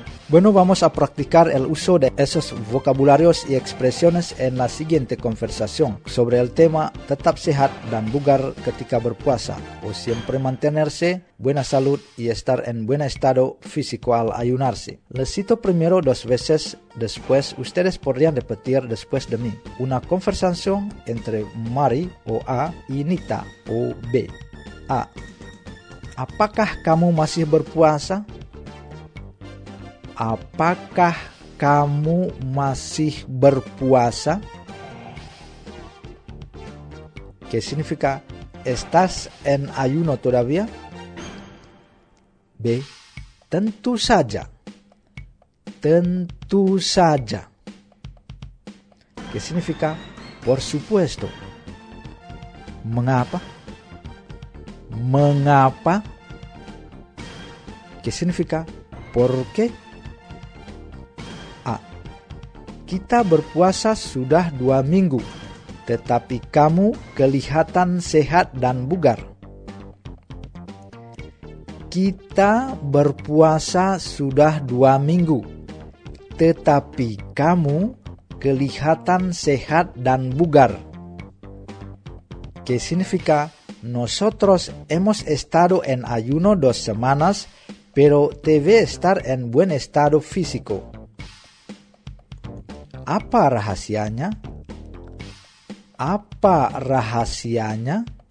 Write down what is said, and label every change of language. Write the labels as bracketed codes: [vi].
[es] Bueno, vamos a practicar el uso de esos vocabularios y expresiones en la siguiente conversación sobre el tema [id] tetap sehat dan bugar ketika berpuasa [es] o siempre mantenerse buena salud y estar en buen estado físico al ayunarse. Les cito primero dos veces, después ustedes podrían repetir después de mí. Una conversación entre Mari o A y Nita o B. A. [id] ¿Apakah kamu masih berpuasa? Apakah kamu masih berpuasa? [es] ¿Qué significa? ¿Estás en ayuno todavía? B. [id] Tentu saja. Tentu saja. [es] ¿Qué significa? Por supuesto. [id] ¿Mengapa? ¿Mengapa? [es] ¿Qué significa? ¿Por qué? [id] Kita berpuasa sudah 2 minggu, tetapi kamu kelihatan sehat dan bugar. Kita berpuasa sudah 2 minggu, tetapi kamu kelihatan sehat dan bugar. [es] ¿Qué significa? Nosotros hemos estado en ayuno 2 semanas, pero te ve estar en buen estado físico. [id] Apa rahasianya? Apa rahasianya?